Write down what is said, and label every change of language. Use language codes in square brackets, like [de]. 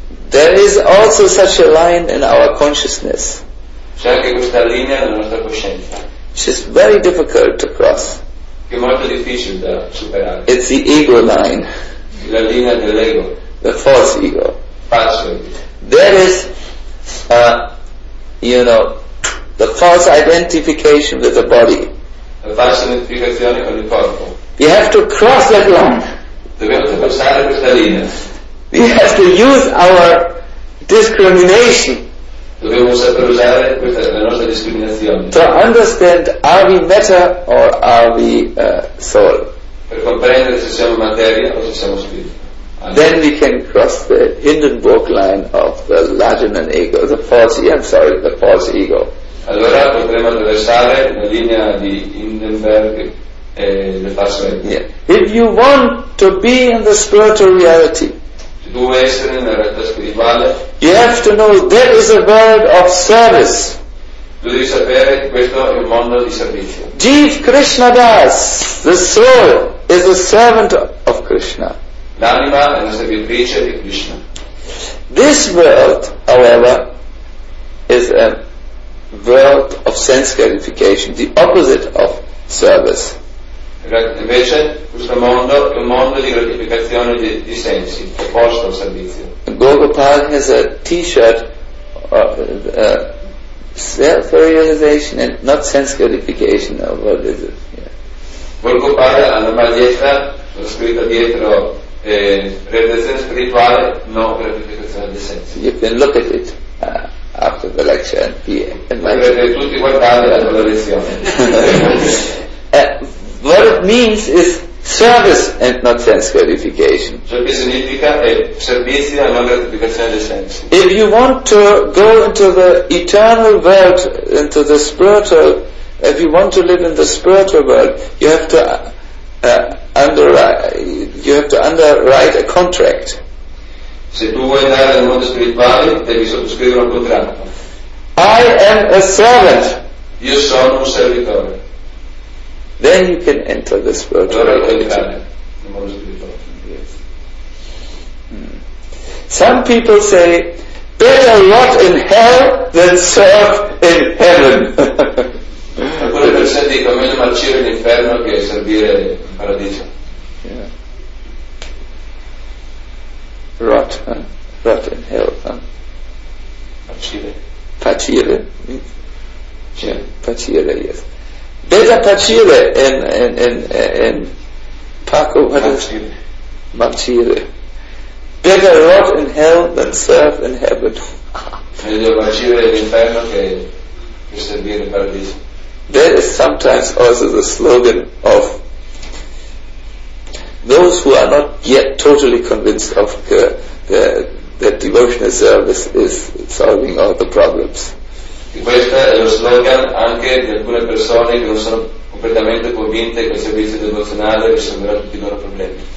[en] There is also such a line in our consciousness. [it] C'è anche questa linea nella nostra coscienza. [en] Which is very difficult to cross. [it] Che è molto difficile da superare. [en] It's the ego line. [it] La linea dell'ego. [en] The false ego. [it] Falso. [en] There is, you know, the false identification with the body. [it] La falsa identificazione con il corpo. [en] We have to cross that line. [it] Dobbiamo passare questa linea. [en] We have to use our discrimination. [it] Dobbiamo saper usare questa, la nostra discriminazione. [en] To understand, are we matter or are we soul? [it] Per comprendere se siamo materia o se siamo spirito. [en] Then we can cross the Hindenburg line of the Lajanan ego, the false ego. I'm sorry, the false ego. [it] Allora potremmo attraversare la linea di Hindenburg e le false ego. [en] Yeah. If you want to be in the spiritual reality, [it] se tu vuoi essere nella realtà spirituale, [en] you have to know there is a world of service. [it] Tu devi sapere che questo è un mondo di servizio. [en] Jeev Krishna Das, the soul, is a servant of Krishna. [it] L'anima è la servitrice di Krishna. [en] This world, however, is a world of sense gratification, the opposite of service. [it] Invece, questo mondo è un mondo di gratificazione di sensi, opposto al servizio. [en] Gopal has a t-shirt of self-realization and not sense gratification. Or what is it? [it] Gopal ha una maglietta scritta dietro. Realizzazione spirituale, no gratificazione di sensi. [en] You can look at it after the lecture and be enlightened. [it] Potrete tutti guardare la tua lezione. [en] What it means is service and not sense gratification. [it] Ciò che significa è servizio e non gratificazione di sensi. [en] If you want to go into the eternal world, into the spiritual, if you want to live in the spiritual world, you have to underwrite a contract. [it] Se tu vuoi andare nel mondo spirituale, devi sottoscrivere un contratto. [en] I am a servant. [it] Io sono un servitore. [en] Then you can enter this world. [it] Allora puoi entrare nel mondo spirituale. [en] Some people say, better rot in hell than serve in heaven. [it] Alcune persone dicono, meglio marcire in inferno che servire in paradiso. [en] Rot, huh? Rot in hell, huh? [it] Pacire. [en] Pacire? Yeah. Pacire, yes. Better pacire in Paco, what [it] Marcire. [en] Is it? Marcire. Better rot in hell than serve in heaven. [it] Meglio pacire in inferno che servire in paradiso. [en] That is sometimes also the slogan of those who are not yet totally convinced of that devotional service is solving all the problems. [it] Questo è lo slogan anche di alcune persone che non sono completamente convinte che il servizio devozionale risolverà tutti i loro problemi.